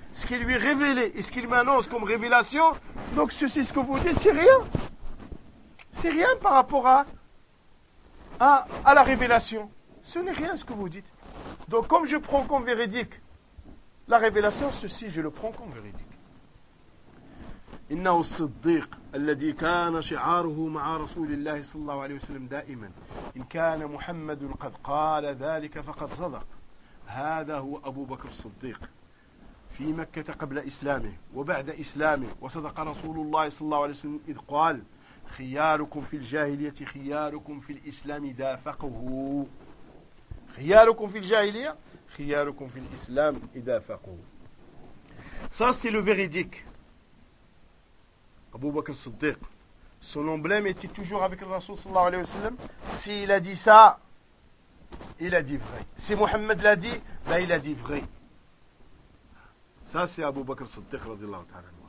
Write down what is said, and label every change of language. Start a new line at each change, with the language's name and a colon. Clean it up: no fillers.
French: ce qu'il lui révélait et ce qu'il m'annonce comme révélation, donc ceci, ce que vous dites, c'est rien. C'est rien par rapport à la révélation. Ce n'est rien ce que vous dites. Donc comme je prends comme véridique la révélation, ceci, je le prends comme véridique.
Arabic: إنه الصديق الذي كان شعاره مع رسول الله صلى الله عليه وسلم دائما إن كان محمد قد قال ذلك فقد صدق هذا هو أبو بكر الصديق في مكة قبل إسلامه وبعد إسلامه وصدق رسول الله صلى الله عليه وسلم إذ قال خياركم في الجاهلية خياركم في الإسلام دافقه خياركم في الجاهلية خياركم في الإسلام دافقه
French: Ça c'est le véridique. Abu Bakr Siddiq, son emblème était toujours avec le Rasoul sallallahu alayhi wa sallam. S'il a dit ça, il a dit vrai. Si Mohammed l'a dit, là il a dit vrai. Ça c'est Abu Bakr Siddiq radiallahu ta'ala.